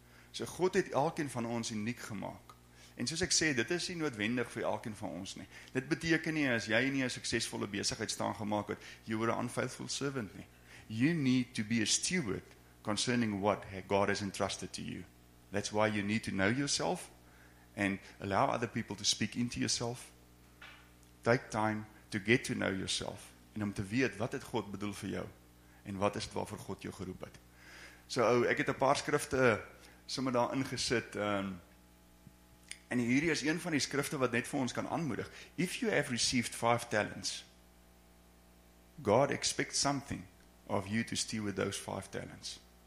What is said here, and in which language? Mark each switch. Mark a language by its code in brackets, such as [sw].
[af] So God het elkeen van ons uniek gemaak. En soos ek sê, dit is nie noodwendig vir elkeen van ons nie. Dit beteken nie, as jy nie 'n suksesvolle besigheid staan gemaak het, [en] you were an unfaithful servant [af] nie. [en] You need to be a steward concerning what God has entrusted to you. That's why you need to know yourself and allow other people to speak into yourself. Take time to get to know yourself [af] en om te weet wat het God bedoel vir jou en wat is het waarvoor God jou geroep het. So ou, ek het 'n paar skrifte sommer daar ingesit en hierdie is een van die skrifte wat net vir ons kan aanmoedig. [en] If you have received 5 talents, God expects something of you to steward those 5 talents.